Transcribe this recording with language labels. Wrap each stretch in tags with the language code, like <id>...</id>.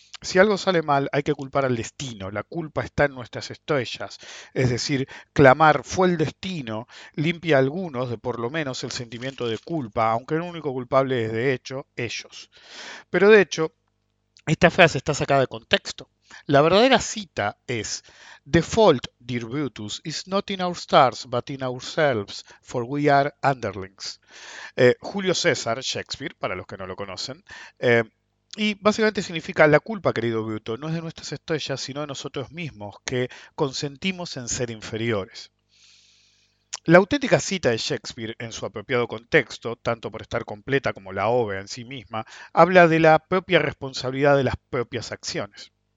<es>Si algo sale mal, hay que culpar al destino. La culpa está en nuestras estrellas. Es decir, clamar fue el destino limpia a algunos de por lo menos el sentimiento de culpa, aunque el único culpable es de hecho ellos. Pero de hecho, esta frase está sacada de contexto.</es> <en>La verdadera cita es: "The fault, dear Brutus, is not in our stars, but in ourselves, for we are underlings."</en> <es>Julio César, Shakespeare, para los que no lo conocen. Y básicamente significa: la culpa, querido Bruto, no es de nuestras estrellas, sino de nosotros mismos, que consentimos en ser inferiores. La auténtica cita de Shakespeare, en su apropiado contexto, tanto por estar completa como la obra en sí misma, habla de la propia responsabilidad de las propias acciones.</es>